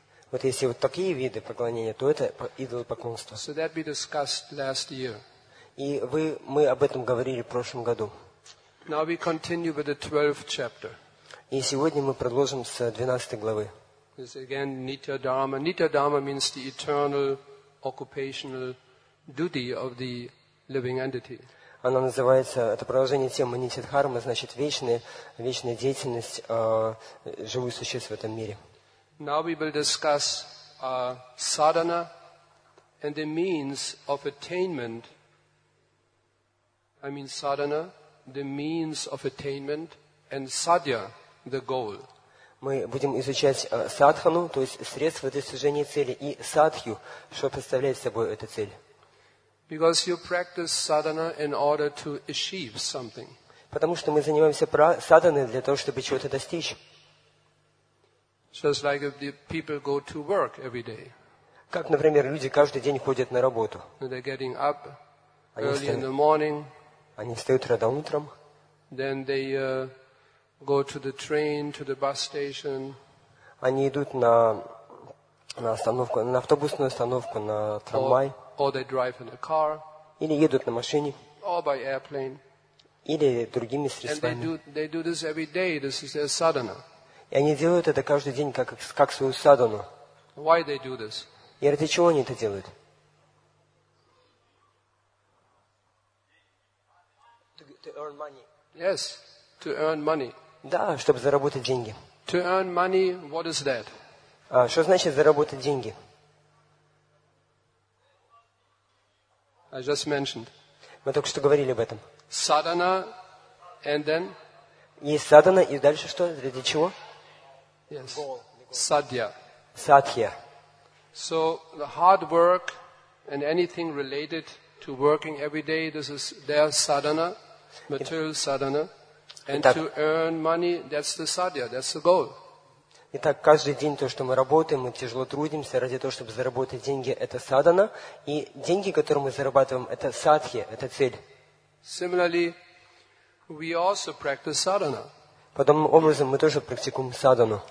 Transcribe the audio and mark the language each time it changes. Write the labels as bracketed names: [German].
[Russian] Вот если вот такие виды поклонения, то это идолопоклонство. [English] So that we discussed last year. [Russian] И мы об этом говорили в прошлом году. [English] Now we continue with the 12th chapter. [Russian] И сегодня мы продолжим с 12 главы. [English] This again Nitya Dharma. Nitya Dharma means the eternal occupational duty of the living entity. [Russian] Она называется, это продолжение темы Нитья Дхарма, значит, вечная деятельность живых существ в этом мире. [English] Now we will discuss sadhana and the means of attainment. I mean sadhana, the means of attainment, and sadhya, the goal. [Russian] Мы будем изучать садхану, то есть средства достижения цели, и садхью, что представляет собой эта цель. [English] Because you practice sadhana in order to achieve something. [Russian] Потому что мы занимаемся садханой для того, чтобы чего-то достичь. [English] Just like if the people go to work every day. [Russian] Как, например, люди каждый день ходят на работу. [English] They're getting up early in the morning. [Russian] Они встают рано утром. [English] Then they go to the train, to the bus station. [Russian] Они идут на остановку, на автобусную остановку, на трамвай. [English] Or they drive in a car, [Russian] или едут на машине, [English] or by airplane, [Russian] или другими средствами. [English] And they do this every day. This is their sadhana. [Russian] И они делают это каждый день как свою садхану. [English] Why they do this? [Russian] И ради чего они это делают? [English] To earn money. Yes, to earn money. [Russian] Да, чтобы заработать деньги. [English] To earn money, what is that? [Russian] Что значит заработать деньги? [English] I just mentioned. [Russian] Мы только что говорили об этом. [English] Sadhana, and then? [Russian] И садхана, и дальше что? Для чего? [English] Yes. Садья. [Russian] Садхья. [English] So the hard work and anything related to working every day, this is their sadhana, material sadhana. And [Russian] Итак, [English] to earn money, that's the sadhya, that's the goal. [Russian] Итак, каждый день то, что мы работаем, мы тяжело трудимся ради того, чтобы заработать деньги, это садхана. И деньги, которые мы зарабатываем, это садхья, это цель. [English] Similarly, we also practice sadhana. [Russian] Подобным образом мы тоже практикуем садхану.